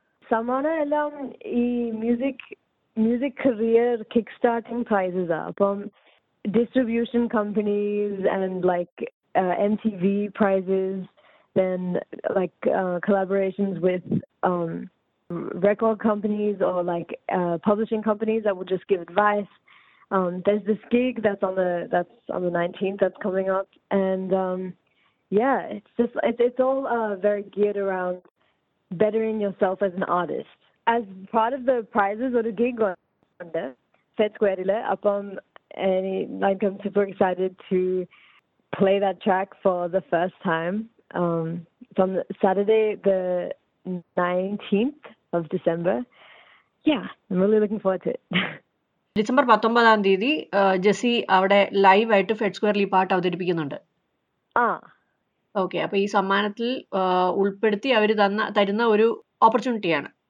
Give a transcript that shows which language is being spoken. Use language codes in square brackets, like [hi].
[ml] സമ്മാനം എല്ലാം ഈ [en] Music career kick starting prizes ആ. അപ്പം distribution companies and like MTV prizes, then like collaborations with record companies or like publishing companies that will just give advice. There's this gig that's on the 19th that's coming up, and yeah, it's all very geared around bettering yourself as an artist. As part of the prizes or the gig under Fed Square ile upon any, like, I'm super excited to play that track for the first time from Saturday the 19th of December. Yeah, I'm really looking forward to it. [ml] December 19-ാം തീയതി Jessy അവിടെ live ആയിട്ട് fed സ്ക്വയറിൽ ഈ പാട്ട് അവതരിപ്പിക്കുന്നുണ്ട്. Okay, അപ്പൊ ഈ സമ്മാനത്തിൽ ഉൾപ്പെടുത്തി അവർ തരുന്ന ഒരു ഓപ്പർച്യൂണിറ്റിയാണ്.